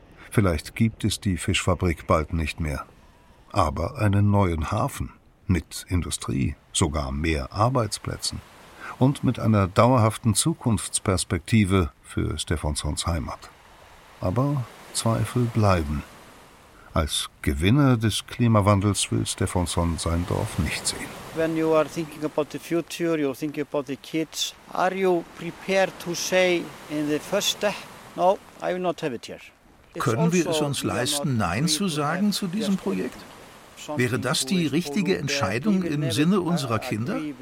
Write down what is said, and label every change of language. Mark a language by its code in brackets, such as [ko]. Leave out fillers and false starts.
[de] Vielleicht gibt es die Fischfabrik bald nicht mehr. Aber einen neuen Hafen mit Industrie, sogar mehr Arbeitsplätzen und mit einer dauerhaften Zukunftsperspektive für Stefanssons Heimat. Aber Zweifel bleiben. Als Gewinner des Klimawandels will Stefansson sein Dorf nicht sehen. [en] When you are thinking about the future, you think about the kids, are you prepared to say in the first step, no, I will not have it here? [de] Können wir es uns leisten, Nein zu sagen zu diesem Projekt? Wäre das die richtige Entscheidung im Sinne unserer Kinder?